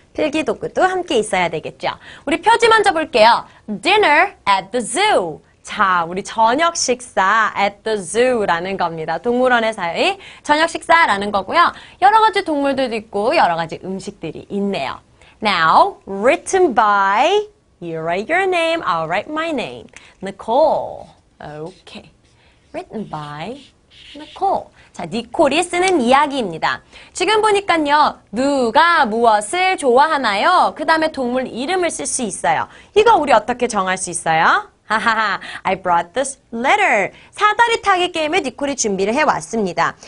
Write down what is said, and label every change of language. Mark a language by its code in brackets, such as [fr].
[ko] 필기 도구도 함께 있어야 되겠죠. 우리 표지 먼저 볼게요. Dinner at the Zoo. 자, 우리 저녁 식사 at the zoo라는 겁니다. 동물원에서의 저녁 식사라는 거고요. 여러 가지 동물들도 있고 여러 가지 음식들이 있네요. [en] Now, written by, you write your name, I'll write my name, Nicole. Okay, written by Nicole. [ko] 자, 니콜이 쓰는 이야기입니다. 지금 보니까요, 누가 무엇을 좋아하나요? 그 다음에 동물 이름을 쓸 수 있어요. 이거 우리 어떻게 정할 수 있어요? [en] I brought this letter. [ko] 사다리 타기 게임을 니콜이 준비를 해왔습니다.